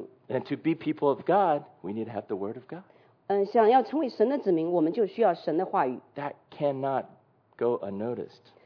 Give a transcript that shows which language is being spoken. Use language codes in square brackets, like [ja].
[en] And to be people of God, we need to have the Word of God. [zh] 想要成为神的子民，我们就需要神的话语。 [en] That cannot go unnoticed.